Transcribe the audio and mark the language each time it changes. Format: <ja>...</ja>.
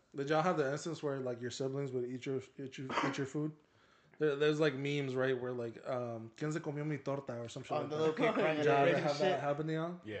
<en>Did y'all have the instance where, like, your siblings would eat your food? There's like memes, right, where like,</en> <es>¿Quién se comió mi torta?</es> <en>Or some shit. Oh, like the little kid crying. Did you have that happen to you?</en>